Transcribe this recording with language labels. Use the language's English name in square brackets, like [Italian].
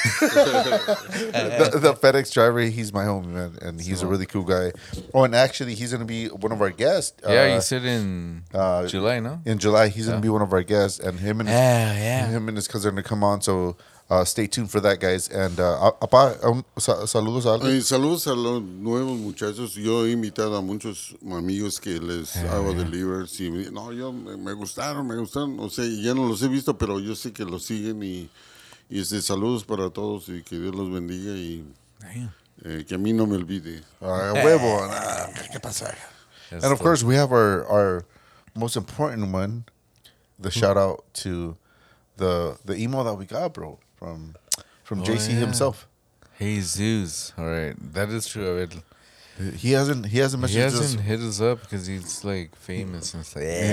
[English] The FedEx driver, he's my homie, man, and he's a really cool guy. Oh, and actually, he's gonna be one of our guests. Yeah, he said in July, no? In July, he's gonna be one of our guests, and him and his cousin are gonna come on. So, stay tuned for that, guys. And [Spanish] saludos a alguien. Saludos a los nuevos muchachos. Yo he invitado a muchos amigos que les hago delivers. No, yo me gustaron. O sea, ya no los he visto, pero yo sé que los siguen y. Y saludos para todos y que Dios los bendiga y que a mí no me olvide. Huevo, ¿qué pasa? [English] And of course, we have our most important one, the shout out to the email that we got, bro, from JC himself. Hey Zeus, all right, that is true. He hasn't hit us up because he's like famous and stuff.